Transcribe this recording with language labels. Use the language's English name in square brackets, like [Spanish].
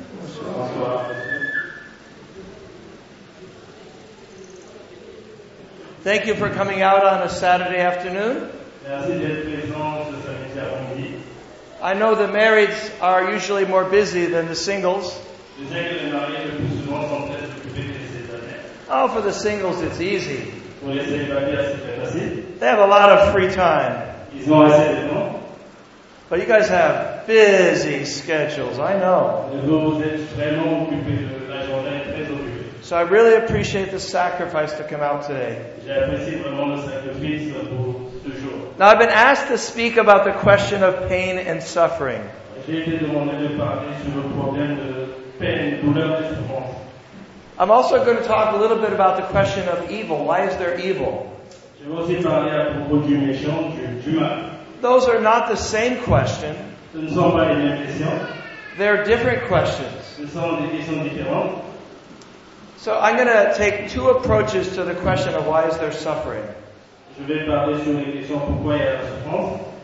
[French] Bonsoir. [English] Thank you for coming out on a Saturday afternoon. [French] Merci d'être présent ce samedi après-midi. [English] I know the married are usually more busy than the singles. [French] Je sais que les mariés le plus souvent sont plus occupés que les célibataires. [English] Oh, for the singles, it's easy. [French] Pour les célibataires, c'est facile. [English] They have a lot of free time. [French] Ils ont assez de temps. [English] But you guys have busy schedules, I know. [French] Vous êtes vraiment occupés, la journée est très occupée. [English] So I really appreciate the sacrifice to come out today. [French] J'apprécie vraiment le sacrifice pour ce jour. [English] Now I've been asked to speak about the question of pain and suffering. [French] J'ai été demandé de parler sur le problème de peine, douleur et souffrance. [English] I'm also going to talk a little bit about the question of evil. Why is there evil? [French] Je vais aussi parler à propos du méchant, du mal. [English] Those are not the same question. [French] Ce ne sont pas les mêmes questions. [English] They're different questions. [French] Ils sont différents. [English] So I'm going to take two approaches to the question of why is there suffering. [French] Je vais parler sur les questions pourquoi il y a la souffrance.